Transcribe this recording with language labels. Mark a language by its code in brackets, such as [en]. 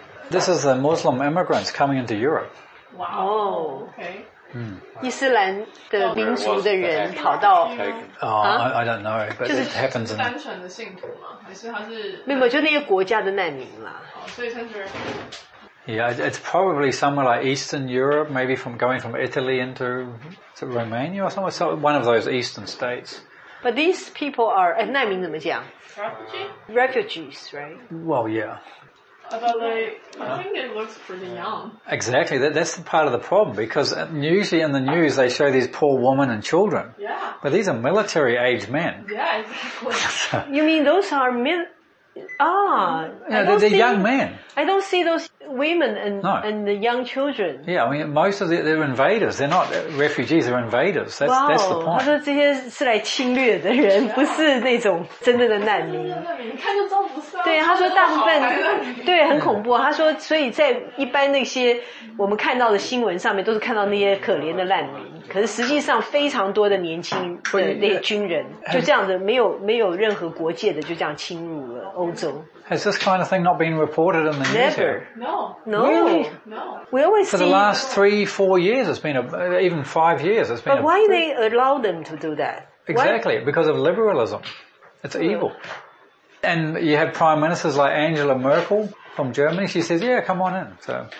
[en] This is the Muslim immigrants coming into Europe. Wow. Okay. [zh] 伊斯兰的民族的人跑到。 [en] I don't know, but it happens. [zh] 单纯的信徒吗？还是他是？没有，就那些国家的难民啦。 [en] Yeah, it's probably somewhere like Eastern Europe, maybe going from Italy into Romania or somewhere, so one of those Eastern states. But these people are, [zh] 难民怎么讲? [en] Refugees, right? Well, yeah. But I think it looks pretty young. Exactly, that's the part of the problem, because usually in the news they show these poor women and children. Yeah. But these are military aged men. Yeah, exactly. You mean those are men? They're young men. I don't see those women and the young children. Yeah, I mean, most of them, they're invaders. They're not refugees, they're invaders. That's, wow, that's the point. [zh] 他说这些是来侵略的人，不是那种真正的难民。真的难民，你看就知道不是。对，他说大部分，对，很恐怖。他说，所以在一般那些我们看到的新闻上面，都是看到那些可怜的难民。可是实际上非常多的年轻的那些军人就这样子没有任何国界的就这样侵入了欧洲。 [en] Has this kind of thing not been reported in the news? Never. No. Really? No. We always see. For the last 3-4 years, it's been even 5 years, it's been. But why they allow them to do that? Exactly, because of liberalism. It's evil. And you have prime ministers like Angela Merkel from Germany. She says, yeah, come on in. So.